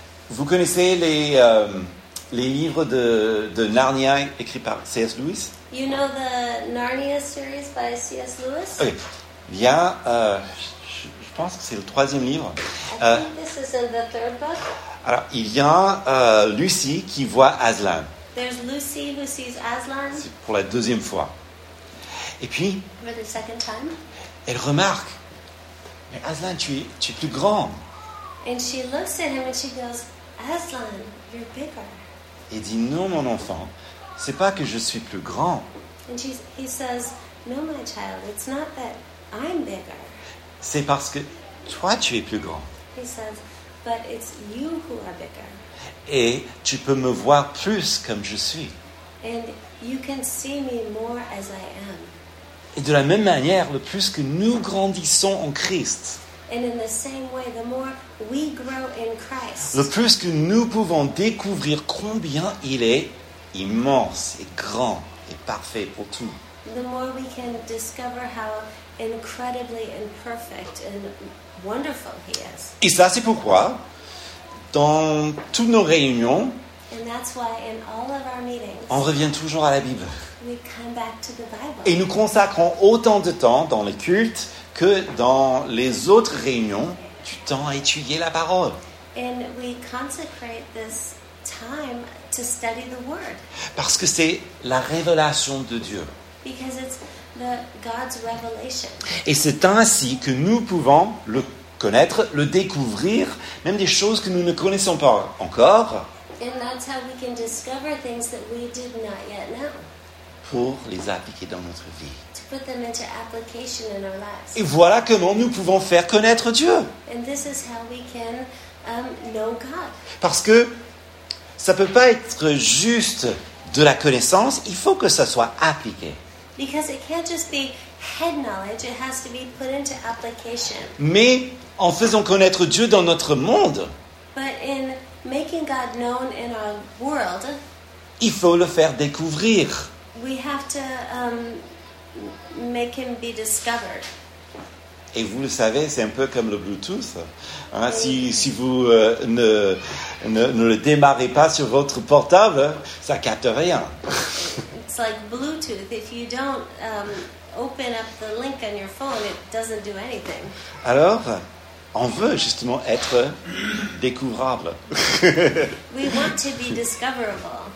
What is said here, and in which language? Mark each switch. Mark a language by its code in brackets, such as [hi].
[fr] Vous connaissez les livres de Narnia écrits par C.S. Lewis? [en] You know the Narnia series by C.S. Lewis? [fr] Oui. Il y a, je pense que c'est le troisième livre. [en] I think this is in the third book. [fr] Alors, il y a Lucy qui voit Aslan. [en] There's Lucy who sees Aslan. [fr] C'est pour la deuxième fois. Et puis, [en] for the second time. [fr] Elle remarque, mais Aslan, tu es plus grand. [en] And she looks at him and she goes, Aslan, you're bigger. [fr] Et dit, non, mon enfant, c'est pas que je suis plus grand. [en] And he says, no, my child, it's not that I'm bigger. [fr] C'est parce que toi, tu es plus grand. [en] He says, but it's you who are bigger. [fr] Et tu peux me voir plus comme je suis. [en] And you can see me more as I am. [fr] Et de la même manière, le plus que nous grandissons en Christ, [en] and in the same way, the more we grow in Christ, [fr] le plus que nous pouvons découvrir combien il est immense et grand et parfait pour tout, [en] the more we can discover how incredibly and perfect and wonderful he is. [fr] Et ça, c'est pourquoi, dans toutes nos réunions, [en] and that's why in all of our meetings, [fr] on revient toujours à la Bible. [en] We come back to the Bible. [fr] Et nous consacrons autant de temps dans les cultes que dans les autres réunions du temps à étudier la parole. [en] And we consecrate this time to study the word. [fr] Parce que c'est la révélation de Dieu. [en] Because it's the God's revelation. [fr] Et c'est ainsi que nous pouvons le connaître, le découvrir, même des choses que nous ne connaissons pas encore. [en] And that's how we can discover things that we did not yet know. [fr] Pour les appliquer dans notre vie. [en] To put them into application in our lives. [fr] Et voilà comment nous pouvons faire connaître Dieu. [en] And this is how we can, know God. [fr] Parce que ça ne peut pas être juste de la connaissance, il faut que ça soit appliqué. [en] Because it can't just be head knowledge, it has to be put into application. [fr] Mais en faisant connaître Dieu dans notre monde, [en] but in making God known in our world, [fr] il faut le faire découvrir. [en] We have to make him be discovered. [fr] Et vous le savez, c'est un peu comme le Bluetooth. Hein? Oui. Si vous ne le démarrez pas sur votre portable, ça capte rien. [en] It's like Bluetooth. If you don't open up the link on your phone, it doesn't do anything. [fr] Alors, on veut justement être découvrable. [en] We want to be discoverable.